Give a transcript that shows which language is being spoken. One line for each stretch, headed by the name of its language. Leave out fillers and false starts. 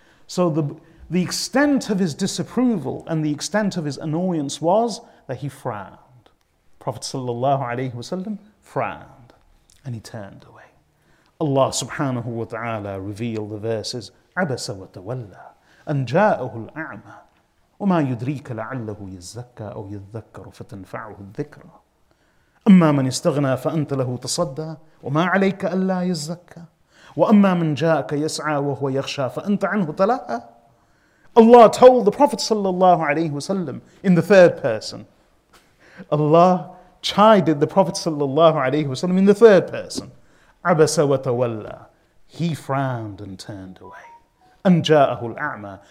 English: So the extent of his disapproval and the extent of his annoyance was that he frowned. Prophet sallallahu alayhi wasallam frowned and he turned away. Allah subhanahu wa ta'ala revealed the verses,
Arabic: عَبَسَ وَتَوَلَّى أَنْ جَاءَهُ الْأَعْمَى وَمَا يُدْرِيكَ لَعَلَّهُ يَزَّكَّى أَوْ يَذَّكَّرُ فَتَنْفَعُهُ الذِّكْرَى أَمَّا مَنْ اسْتَغْنَى فَأَنْتَ لَهُ تَصَدَّى وَمَا عَلَيْكَ أَلَّا يَزَّكَّى وَأَمَّا مَنْ جَاءَكَ يَسْعَى وَهُوَ يَخْشَى فَأَنْتَ عَنْهُ تَلَهَى.
English: Allah told the Prophet sallallahu alayhi wasallam in the third person. Allah chided the Prophet sallallahu alayhi wasallam in the third person.
Arabic: عَبَسَ وَتَوَلَّى.
English: He frowned and turned away.
Arabic: أَنْ جَاءَهُ الْأَعْمَى.